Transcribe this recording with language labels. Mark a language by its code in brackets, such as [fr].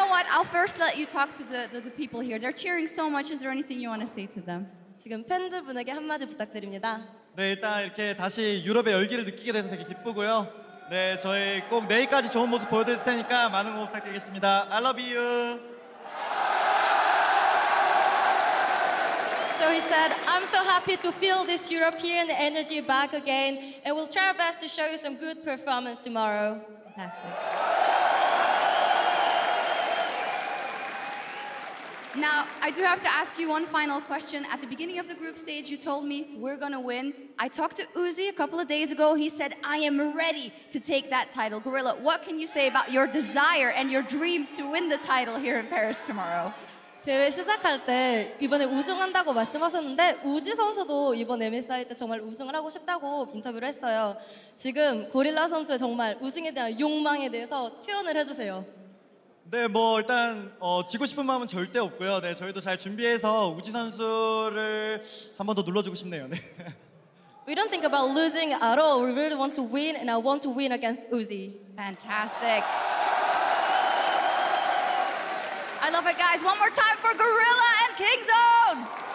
[en] I'll first let you talk to the people here. They're cheering so much. Is there anything you want to say to them? [ko] 지금 팬들분에게 한마디 부탁드립니다. 네, 일단 이렇게 다시 유럽의 열기를 느끼게 돼서 되게 기쁘고요. 네, 저희 꼭 내일까지 좋은 모습 보여드릴 테니까 많은 응원 부탁드리겠습니다. [en] I love you. So he said, I'm so happy to feel this European energy back again, and we'll try our best to show you some good performance tomorrow. Fantastic. Now, I do have to ask you one final question. At the beginning of the group stage, you told me we're gonna win. I talked to Uzi a couple of days ago. He said, I am ready to take that title. Gorilla, what can you say about your desire and your dream to win the title here in Paris tomorrow? [ko] 대회 시작할 때 이번에 우승한다고 말씀하셨는데 우지 선수도 이번 MSI 때 정말 우승을 하고 싶다고 인터뷰를 했어요. 지금 고릴라 선수의 정말 우승에 대한 욕망에 대해서 표현을 해주세요. 네, 뭐 일단 지고 싶은 마음은 절대 없고요. 네, 저희도 잘 준비해서 우지 선수를 한 번 더 눌러주고 싶네요. 네. [en] We don't think about losing at all. We really want to win, and I want to win against Uzi. Fantastic. I love it, guys. One more time for Gorilla and Kingzone.